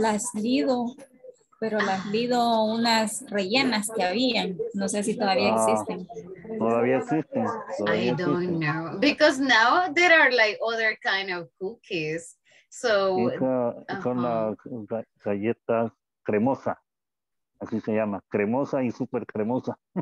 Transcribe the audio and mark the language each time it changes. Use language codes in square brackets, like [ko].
[es] Las Lido, pero las Lido unas rellenas que habían. No sé si todavía existen. Todavía existen. [en] Don't know. Because now there are like other kind of cookies. So [es] son las galletas cremosa, así se llama, cremosa y super cremosa.